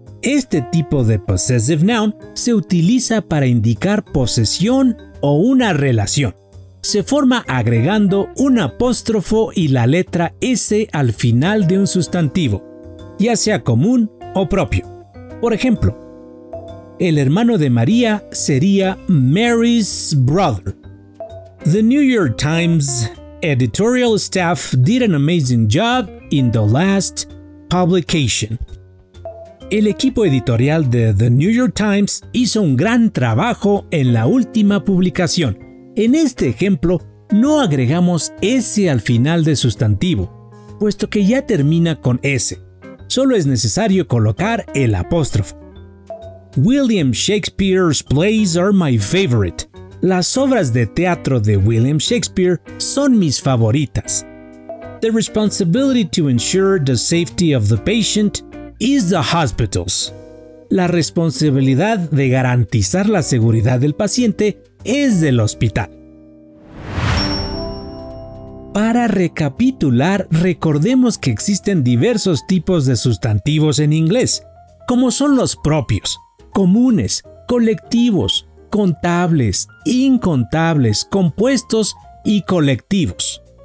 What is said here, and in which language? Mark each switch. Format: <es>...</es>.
<es>Este tipo de possessive noun se utiliza para indicar posesión o una relación. Se forma agregando un apóstrofo y la letra S al final de un sustantivo, ya sea común o propio. Por ejemplo, el hermano de María sería</es> <en>Mary's brother. The New York Times editorial staff did an amazing job in the last publication.</en> <es>El equipo editorial de The New York Times hizo un gran trabajo en la última publicación. En este ejemplo, no agregamos S al final de sustantivo, puesto que ya termina con S. Solo es necesario colocar el apóstrofo.</es> <en>William Shakespeare's plays are my favorite.</en> <es>Las obras de teatro de William Shakespeare son mis favoritas.</es> <en>The responsibility to ensure the safety of the patient is the hospital's.</en> <es>La responsabilidad de garantizar la seguridad del paciente es del hospital. Para recapitular, recordemos que existen diversos tipos de sustantivos en inglés, como son los propios, comunes, colectivos, contables, incontables, compuestos y colectivos.</es>